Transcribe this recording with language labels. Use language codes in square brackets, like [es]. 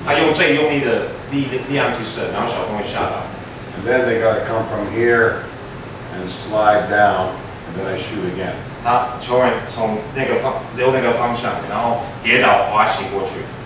[zh] 一个是他会射，他用最用力的力量去射，然后小朋友会吓到。 [en] And then they got to come from here and slide down, and then I shoot again. [zh] 他球员从那个方溜那个方向，然后跌倒滑行过去。